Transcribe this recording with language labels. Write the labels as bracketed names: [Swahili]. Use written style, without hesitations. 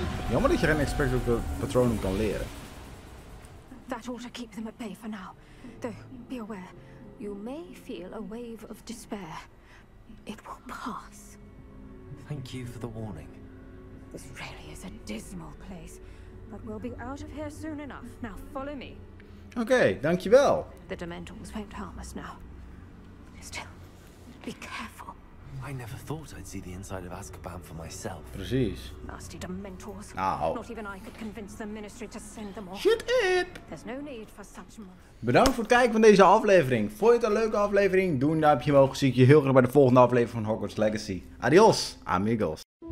[Dutch] Jammer dat je geen Expecto Patronum kan leren. [English] That ought to keep them at bay for now. Though, be aware, you may feel a wave of despair. It will pass. Thank you for the warning. This really is a dismal place. But we'll be out of here soon enough. Now follow me. [Dutch] Okay, dankjewel. [English] The Dementors won't harm us now. Still, be careful. I never thought I'd see the inside of Azkaban for myself. [Dutch] Precies. [English] Nasty Dementors. Ow. Not even I could convince the Ministry to send them off. Shit it! There's no need for such more. [Dutch] Bedankt voor het kijken van deze aflevering. Vond je het een leuke aflevering? Doe een duimpje omhoog. Zie ik je heel graag bij de volgende aflevering van Hogwarts Legacy. [Spanish] Adios, amigos.